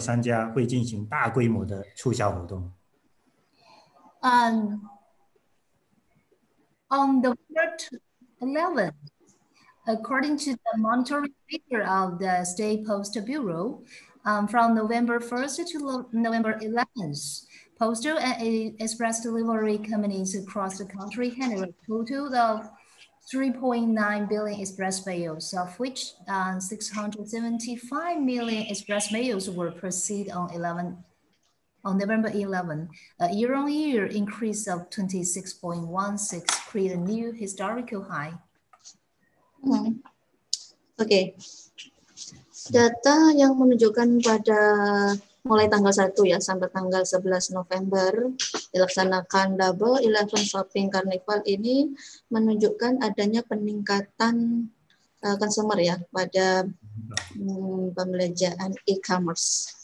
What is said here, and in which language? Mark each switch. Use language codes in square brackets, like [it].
[zh] 2020年是第12个双十一的购物狂欢节，在这一天，许多的网络商家会进行大规模的促销活动。 [en] On the 11th, according to the monitoring figure of the State Post Bureau, from November 1st to November 11th, postal and express delivery companies across the country handled a total of 3.9 billion express mails, of which 675 million express mails were processed on November 11, a year-on-year increase of 26.16 create a new historical high. Okay. [id] Data yang menunjukkan pada mulai tanggal 1 ya sampai tanggal 11 November dilaksanakan Double 11 Shopping Carnival ini menunjukkan adanya peningkatan consumer ya pada pembelanjaan e-commerce.